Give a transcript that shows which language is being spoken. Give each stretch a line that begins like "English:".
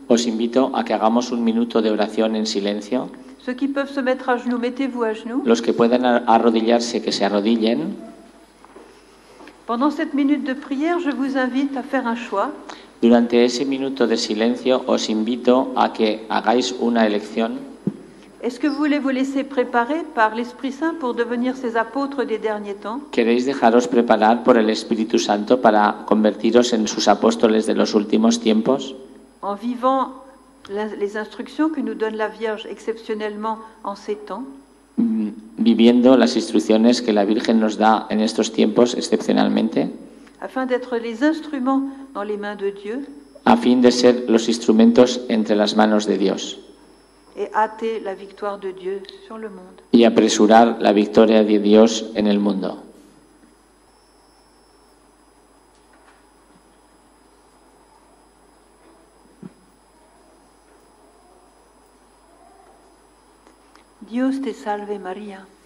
Spanish: Os invito a que hagamos un minuto de oración en silencio.
French: Ceux qui peuvent se mettre à genoux, mettez-vous à genoux.
Spanish: Los que puedan arrodillarse, que se arrodillen.
French: Pendant cette minute de prière, je vous invite à faire un choix.
Spanish: Durante ese minuto de silencio os invito a que hagáis una elección.
French: Est-ce que vous voulez vous laisser préparer par l'Esprit Saint pour devenir ces apôtres des derniers temps?
Spanish: ¿Queréis dejaros preparar por el Espíritu Santo para convertiros en sus apóstoles de los últimos tiempos?
French: En vivant les instructions que nous donne la Vierge exceptionnellement en ces temps.
Spanish: Viviendo las instrucciones que la Virgen nos da en estos tiempos excepcionalmente.
French: Afin d'être les instruments dans les mains de Dieu.
Spanish: A fin de ser los instrumentos entre las manos de Dios.
French: Et hâter la victoire de Dieu sur le monde.
Spanish: Y apresurar la victoria de Dios en el mundo. Dios te salve María.